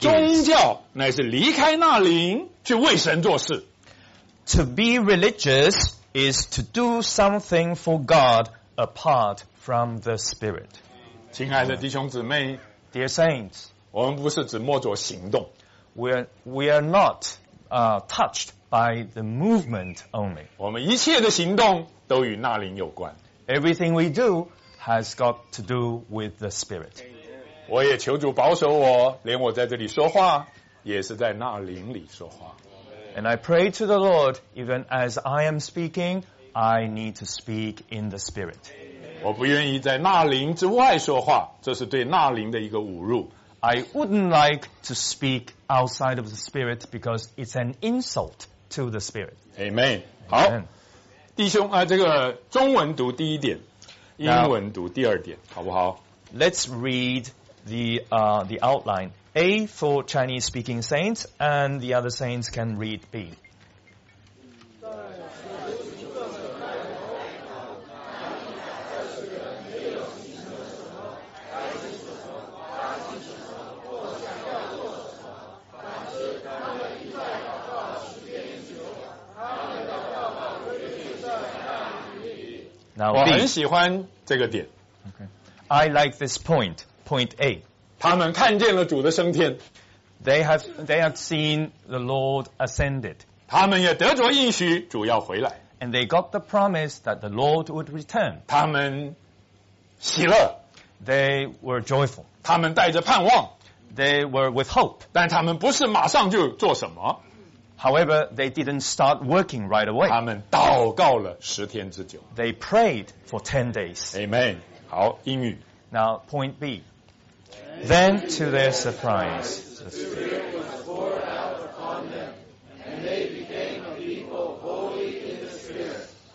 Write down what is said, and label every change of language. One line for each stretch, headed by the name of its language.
Chinese: 宗教乃是离开那灵去为神做事。
English: To be religious is to do something for God apart from the Spirit.
Chinese: 亲爱的弟兄姊妹
English: Dear saints,
Chinese: 我们不是只默做行动。
English: We are not touched by the movement only.
Chinese: 我们一切的行动都与那灵有关。
English: Everything we do,has got to do with the Spirit.
Chinese: 我也求主保守我，连我在这里说话，也是在那灵里说话。
English: And I pray to the Lord, even as I am speaking, I need to speak in the Spirit.
Chinese: 我不愿意在那灵之外说话，这是对那灵的一个侮辱。
English: I wouldn't like to speak outside of the Spirit because it's an insult to the Spirit. Amen.
Chinese: 好，弟兄啊，这个中文读第一点。英文读第二点，好不好？
English: Let's read the outline. A for Chinese speaking saints, and the other saints can read B.
Chinese: 我很喜欢这个点。
English: Okay. I like this point, point A.
Chinese: 他们看见了主的升天。
English: They have seen the Lord ascended.
Chinese: 他们也得着应许，主要回来。
English: And they got the promise that the Lord would return.
Chinese: 他们喜乐。
English: They were joyful.
Chinese: 他们带着盼望。
English: They were with hope.
Chinese: 但他们不是马上就做什么。
English: However, they didn't start working right away.
Chinese: 他们祷告了十天之久。
English: They prayed for 10 days.
Chinese: Amen. 好，英语。
English: Now, point B. Then, to their surprise, the Spirit was poured out upon them, and they became a people holy in the Spirit.